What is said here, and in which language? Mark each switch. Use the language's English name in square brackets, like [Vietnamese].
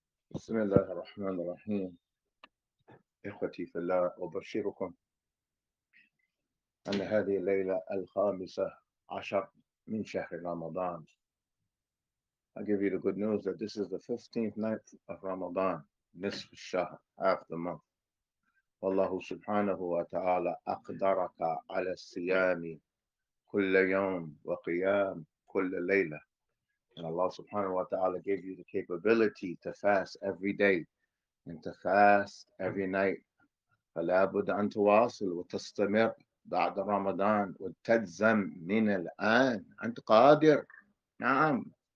[Arabic] بسم الله الرحمن الرحيم، إخوتي في الله، أبشركم أن هذه الليلة الخامسة عشر من شهر رمضان. [English] I give you the good news that this is the 15th night of Ramadan, [Arabic] نصف الشهر, [English] half the month. [Arabic] والله سبحانه وتعالى أقدرك على الصيام كل يوم وقيام كل ليلة. [English] And Allah subhanahu wa ta'ala gave you the capability to fast every day and to fast every night. [Arabic] فَلَا بُدَ أَن تُوَاصِلْ وَتَسْتَمِرْ بَعْدَ رَمَضَانِ وَتَجْزَمْ مِنَ الْآنِ. أنت قادر. نعم.